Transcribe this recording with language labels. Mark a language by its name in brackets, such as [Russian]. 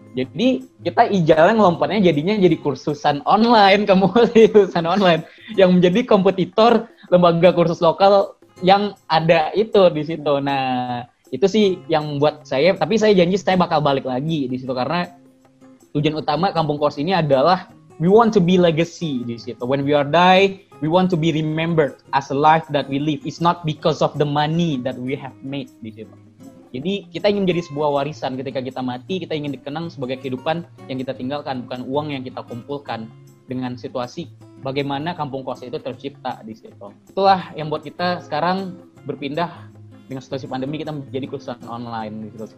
[Indonesian] Jadi kita ijalan ngelompatnya jadinya jadi kursusan online, kursusan online yang menjadi kompetitor lembaga kursus lokal yang ada itu di situ. Nah, itu sih yang buat saya, tapi saya janji saya bakal balik lagi di situ, karena tujuan utama kampung kos ini adalah [English] we want to be legacy [Indonesian] di situ. [English] When we are die, we want to be remembered as a life that we live. It's not because of the money that we have made [Indonesian] di situ. Jadi kita ingin menjadi sebuah warisan ketika kita mati, kita ingin dikenang sebagai kehidupan yang kita tinggalkan, bukan uang yang kita kumpulkan, dengan situasi bagaimana kampung kos itu tercipta di situ. Itulah yang buat kita sekarang berpindah dengan situasi pandemi, kita menjadi kursusan online di situ.